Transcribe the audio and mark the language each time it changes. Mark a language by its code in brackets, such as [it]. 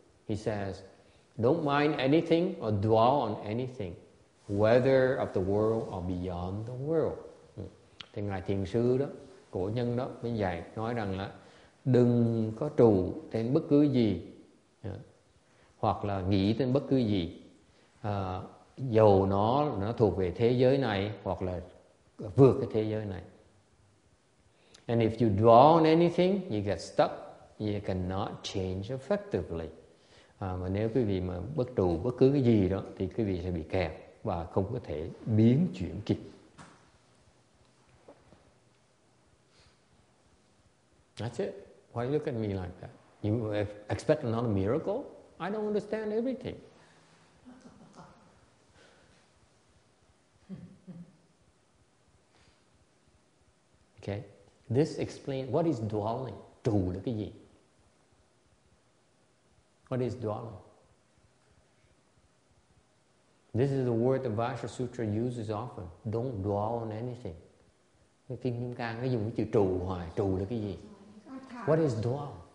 [en] He says, don't mind anything or dwell on anything, whether of the world or beyond the world. [vi] Thì ngài thiền sư đó, cổ nhân đó mới dạy, nói rằng là đừng có trụ trên bất cứ gì, hoặc là nghĩ trên bất cứ gì, dầu nó thuộc về thế giới này hoặc là vượt cái thế giới này. [en] And if you dwell on anything, you get stuck, you cannot change effectively. [vi] Mà nếu quý vị mà bất trụ bất cứ cái gì đó thì quý vị sẽ bị kẹt và không có thể biến chuyển kịp. [en] That's it. Why do you look at me like that? You expect another miracle? I don't understand everything. Okay. This explains what is dwelling. [vi] Trụ là cái gì? [en] What is dwelling? This is the word the Vajra Sutra uses often. Don't dwell on anything. [vi] Kinh Kim Cang nó dùng cái chữ trụ hoài. Trụ là cái gì? [en] What is dwell?